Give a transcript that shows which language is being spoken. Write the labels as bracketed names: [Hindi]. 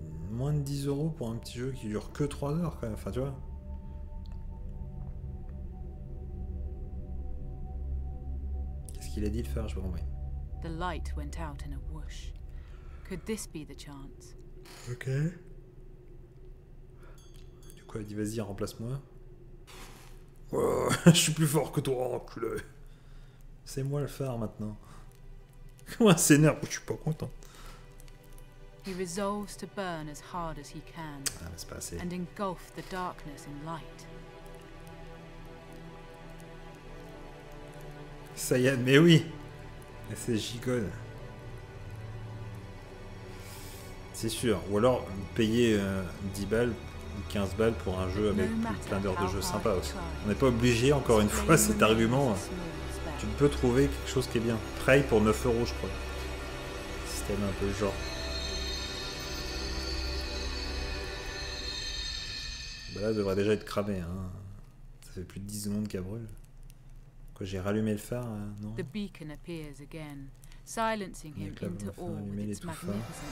[French] Moins de 10 euros pour un petit jeu qui dure que 3 heures quand même, enfin tu vois. Qu'est-ce qu'il a dit de faire, je me comprends. [English] The light went out in a whoosh. Could this be the chance? Ok. [French] Du coup, elle dit vas-y, remplace-moi. Oh, je suis plus fort que toi, enculé. C'est moi le phare maintenant. Comment ça s'énerve? Je suis pas content. [English] He resolves to burn as hard as he can. [French] Ah, mais c'est pas assez. [English] And engulf the darkness in light. [French] Ça y est, mais oui. Mais c'est gigone. C'est sûr, ou alors payer 10 balles ou 15 balles pour un jeu avec plein d'heures de jeu sympa aussi. On n'est pas obligé, encore une fois, cet argument. Tu peux trouver quelque chose qui est bien. Prey pour 9 euros, je crois. Système un peu genre. Ben là, ça devrait déjà être cramé. Hein. Ça fait plus de 10 secondes qu'elle brûle. Quoi, j'ai rallumé le phare, non ? [English] The beacon appears again. Silencing him into awe with its magnificent blade.